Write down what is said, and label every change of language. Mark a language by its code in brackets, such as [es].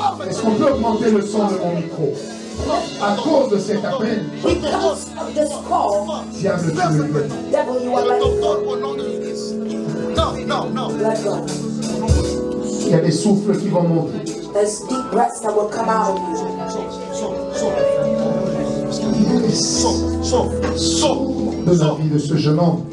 [fr] Est-ce qu'on peut augmenter le son de mon micro? À cause de cet appel. [en] Because of this call. [fr] Diable, tu le libères. [en] Devil, you are letting go. [fr] Non, il y a des souffles qui vont monter. [en] There's deep breaths that will come out of you. [fr] Sors de la vie de ce jeune homme.